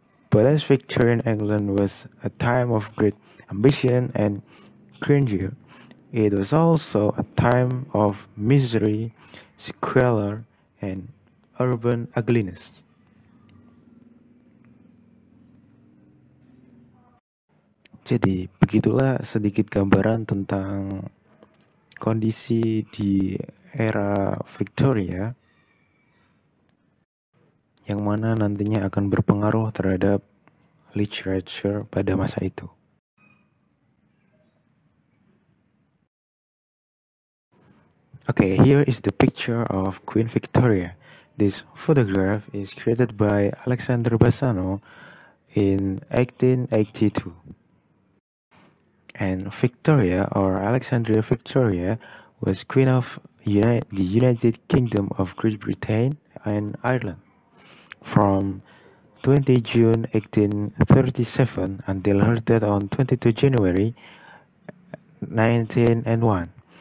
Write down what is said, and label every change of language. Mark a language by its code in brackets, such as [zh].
[en] But as Victorian England was a time of great ambition and grandeur, it was also a time of misery, squalor, and urban ugliness. [id] Jadi, begitulah sedikit gambaran tentang kondisi di era Victoria, yang mana nantinya akan berpengaruh terhadap literature pada masa itu. [en] Okay, here is the picture of Queen Victoria. This photograph is created by Alexander Bassano in 1882. And Victoria, or Alexandria Victoria, was Queen of the United Kingdom of Great Britain and Ireland from 20 June 1837 until her death on 22 January 1901.